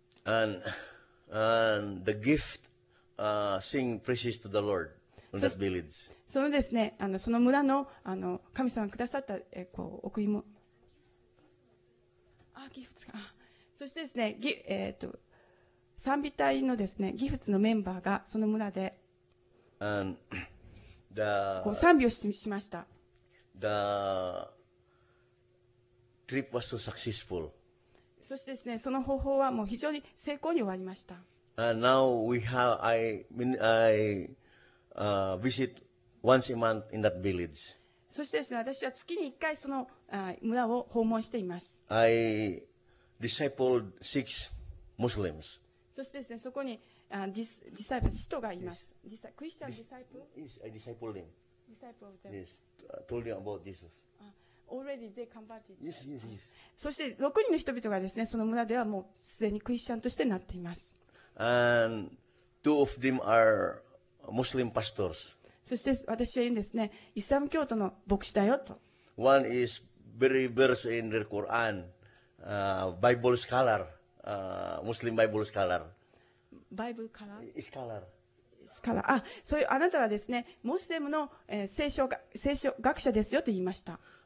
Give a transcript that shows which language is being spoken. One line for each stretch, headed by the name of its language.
English: And the gift, sing praises to the Lord in that village.
Japanese: そのですね、その村の、神様くださった、こう贈り物。ギフツか。そしてですね、賛美隊のですね、ギフツのメンバーがその村で。
English: And,
Japanese: こう賛美をしました。
English: The trip was so successful.
Japanese: そしてですね、その方法はもう非常に成功に終わりました。
English: Visit once a month in that village.
Japanese: そしてですね、私は月に1回その村を訪問しています。
English: I discipled six Muslims.
Japanese: そしてですね、そこにディサイプル、使徒がいます。クリスチャンディサイプル
English: Yes, I discipled them. Disciple of them. Yes, I told them about Jesus. Already they converted. Yes, yes, yes.
Japanese: そして6人の人々がですね、その村ではもうすでにクリスチャンとしてなっています。
English: And two of them are Muslim pastors.
Japanese: そして私は言うんですね、イスラム教徒の牧師だよと。
English: One is very versed in the Quran, Bible scholar, Muslim Bible scholar. バイブルカラー、スカラ
Japanese: ー、スカラー、あ、そういうあなたはですね、モスレムの、聖書学者ですよと言いました。